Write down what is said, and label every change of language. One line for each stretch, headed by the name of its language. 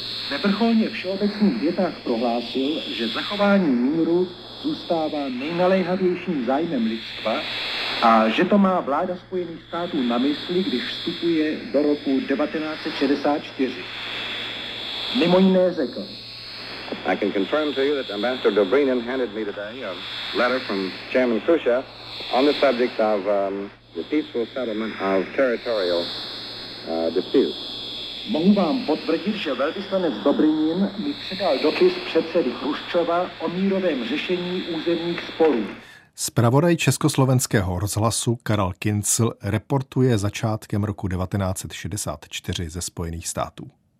Czech: Ve vrcholně všeobecných větách prohlásil, že zachování míru zůstává nejnaléhavějším zájmem lidstva a že to má vláda Spojených států na mysli, když vstupuje do roku 1964. Mimo jiné řekl.
English: I can confirm to you that Ambassador Dobrynin handed me today a letter from Chairman Khrushchev on the subject of the peaceful settlement of territorial disputes.
Czech: Mohu vám potvrdit, že velvyslanec Dobrynin mi předal dopis předsedy Chruščova o mírovém řešení územních sporů. Zpravodaj Československého rozhlasu Karel Kinsel reportuje začátkem roku 1964 ze Spojených států.